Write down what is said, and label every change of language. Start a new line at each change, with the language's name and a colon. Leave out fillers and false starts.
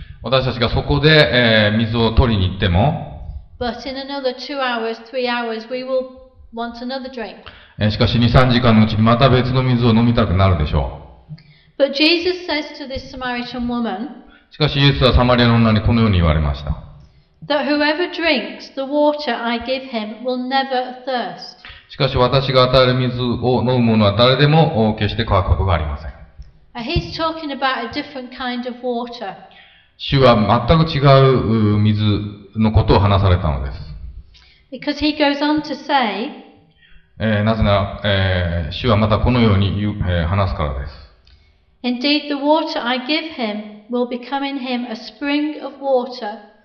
Japanese: 私たちがそこで、水を取りに行っても
English: But in another 2 hours, 3 hours, we will want another drink.
Japanese: しかし 2,3 時間のうちにまた別の水を飲みたくなるでしょう。
English: But Jesus says to this Samaritan woman,
Japanese: しかしイエスはサマリアの女にこのように言われました。
English: That whoever drinks the water I give him will never thirst.
Japanese: しかし私が与える水を飲む者は誰でも決して乾くことがありません。
English: He's talking about a different kind of water.
Japanese: 主は全く違う水のことを話されたのです。
English: Because he goes on to say,
Japanese: なぜなら、主はまたこのように言う、話すからです。
English: Indeed, the water I give him will become in him a spring of water.